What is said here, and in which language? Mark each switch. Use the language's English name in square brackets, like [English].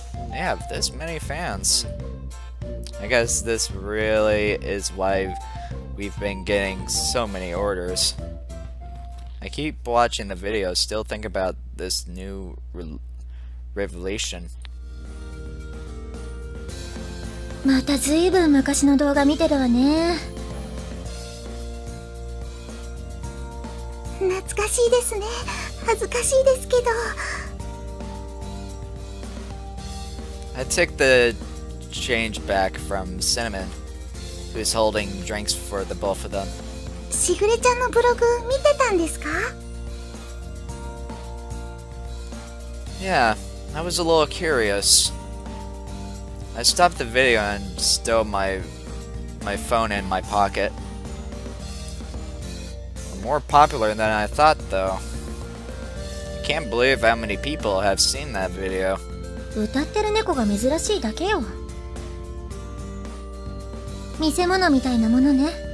[English] They have this many fans. I guess this really is why we've been getting so many orders. I keep watching the video, still think about this new revelation. [Japanese] また随分昔の動画見てるわね。懐かしいですね。恥ずかしいですけど。 [English] I take the change back from Cinnamon, who is holding drinks for the both of them. [Japanese] Shigure-chan のブログ見てたんですか? [English] Yeah, I was a little curious. I stopped the video and stole my phone in my pocket. More popular than I thought, though. I can't believe how many people have seen that video. [Japanese] 歌ってる猫が珍しいだけよ。見せ物みたいなものね。